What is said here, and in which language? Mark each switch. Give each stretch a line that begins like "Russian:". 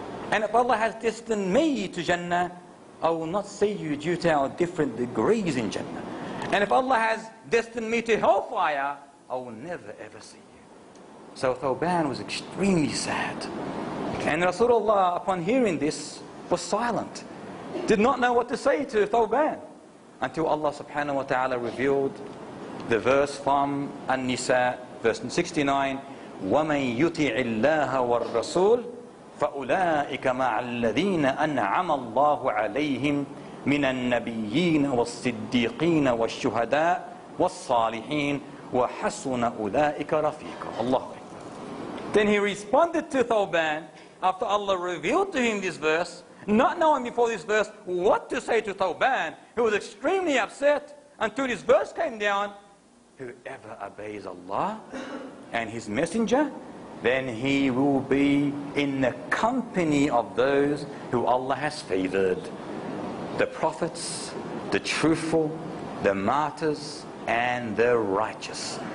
English: And if Allah has destined me to Jannah, I will not see you due to our different degrees in Jannah. And if Allah has destined me to hellfire, I will never ever see you." So Thawban was extremely sad. And Rasulullah, upon hearing this, was silent. Did not know what to say to Thawban. Until Allah subhanahu wa ta'ala revealed the verse from An-Nisa, verse 69,
Arabic: وَمَنْ يُطِعِ اللَّهَ وَالرَّسُولِ فَأُولَٰئِكَ مَعَ الَّذِينَ أَنْعَمَ اللَّهُ عَلَيْهِمْ مِنَ النَّبِيِّينَ وَالصِّدِّيقِينَ وَالشُّهَدَاءِ وَالصَّالِحِينَ وَحَسُنَ أُولَٰئِكَ رَفِيقًا.
English: Allah. Then he responded to Thawban after Allah revealed to him this verse, not knowing before this verse what to say to Thawban, who was extremely upset until this verse came down. Whoever obeys Allah and His Messenger, then he will be in the company of those who Allah has favored, the prophets, the truthful, the martyrs, and the righteous.